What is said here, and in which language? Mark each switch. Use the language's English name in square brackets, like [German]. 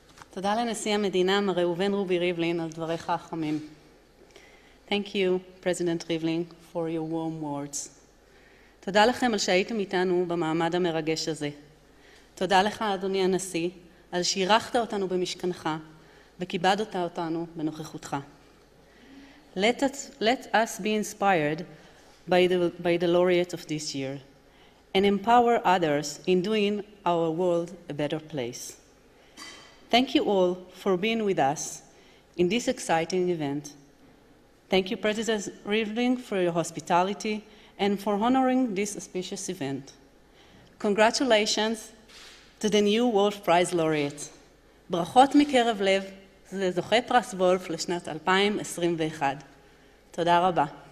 [Hebrew] תודה לנשיא המדינה, מר ראובן רובי ריבלין, על דבריך החמים. [English] Thank you, President Rivlin, for your warm words. [Hebrew] תודה לכם על שהייתם איתנו במעמד המרגש הזה. תודה לך, אדוני הנשיא, על שאירחת אותנו במשכנך וכיבדת אותנו בנוכחותך. [English] Let us be inspired by the laureate of this year and empower others in doing our world a better place. Thank you all for being with us in this exciting event. Thank you, President Rivlin, for your hospitality and for honoring this auspicious event. Congratulations to the new Wolf Prize laureate. [Hebrew] ברכות מקרב לב לזוכה פרס וולף לשנת 2021. תודה רבה.